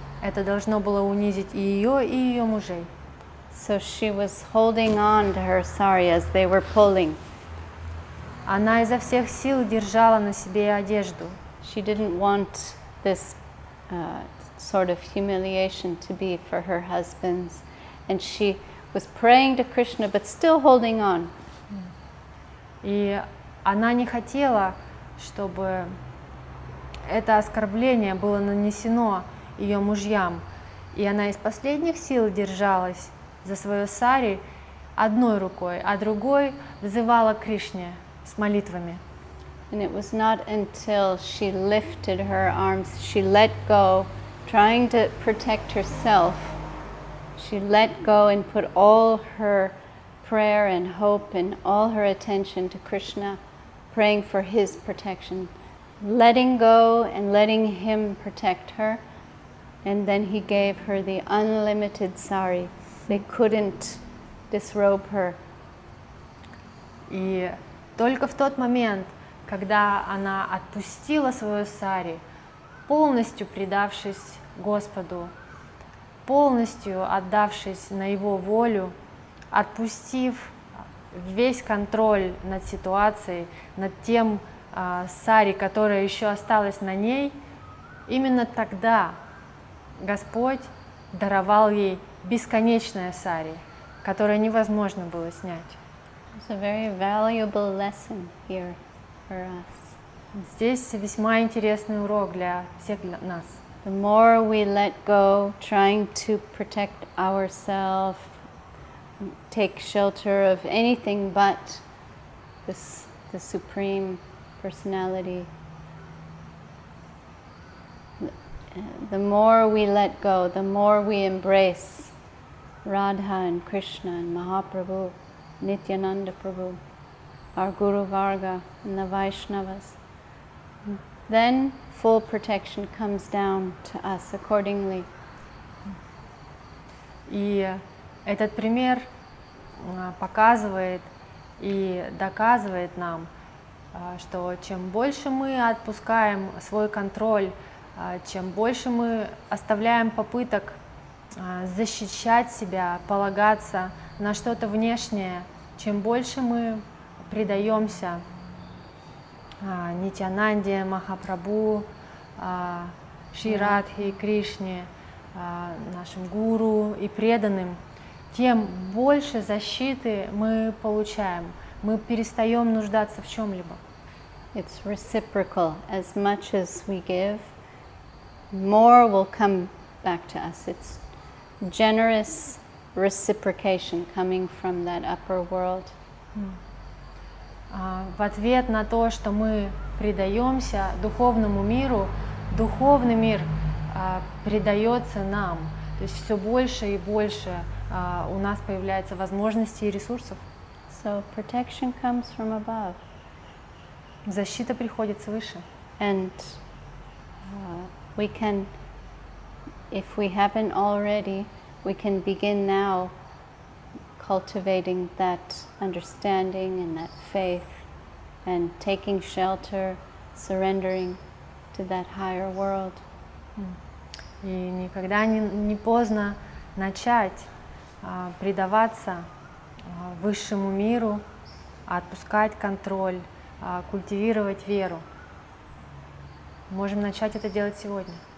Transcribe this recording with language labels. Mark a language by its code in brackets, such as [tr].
[ru] Это должно было унизить и ее, и ее мужей. [en] So she was holding on to her sari as they were pulling. [ru] Она изо всех сил держала на себе одежду. [en] She didn't want this sort of humiliation to be for her husbands, and she was praying to Krishna, but still holding on. [ru] И она не хотела, чтобы это оскорбление было нанесено ее мужьям, и она из последних сил держалась за свое сари одной рукой, а другой взывала к Кришне с молитвами. [en] And it was not until she lifted her arms, she let go, trying to protect herself. She let go and put all her prayer and hope and all her attention to Krishna, praying for his protection. Letting go and letting him protect her. And then he gave her the unlimited sari. They couldn't disrobe her. [ru] И только в тот момент, когда она отпустила свою сари, полностью предавшись Господу, полностью отдавшись на его волю, отпустив весь контроль над ситуацией, над тем сари, которая еще осталась на ней, именно тогда Господь даровал ей бесконечное сари, которое невозможно было снять. [en] It's a very valuable lesson here for us. [ru] Здесь весьма интересный урок для всех нас. [en] The more we let go, trying to protect ourselves, take shelter of anything but this, the Supreme Personality, the more we let go, the more we embrace Radha and Krishna and Mahaprabhu, Nityananda Prabhu, our Guru Varga and the Vaishnavas, then full protection comes down to us accordingly. [ru] И этот пример показывает и доказывает нам, что чем больше мы отпускаем свой контроль, чем больше мы оставляем попыток защищать себя, полагаться на что-то внешнее, чем больше мы предаемся Нитянанде, Махапрабху, Ширадхи, Кришне, нашим гуру и преданным, тем больше защиты мы получаем, мы перестаем нуждаться в чем-либо. [en] It's reciprocal. As much as we give, more will come back to us. It's generous reciprocation coming from that upper world. [ru] В ответ на то, что мы предаемся духовному миру, духовный мир предается нам. То есть все больше и больше у нас появляется возможностей и ресурсов. [en] So protection comes from above. [ru] Защита приходит свыше. [en] And we can, if we haven't already, we can begin now cultivating that understanding and that faith and taking shelter, surrendering to that higher world. [ru] И никогда не поздно начать предаваться высшему миру, отпускать контроль, культивировать веру. Можем начать это делать сегодня.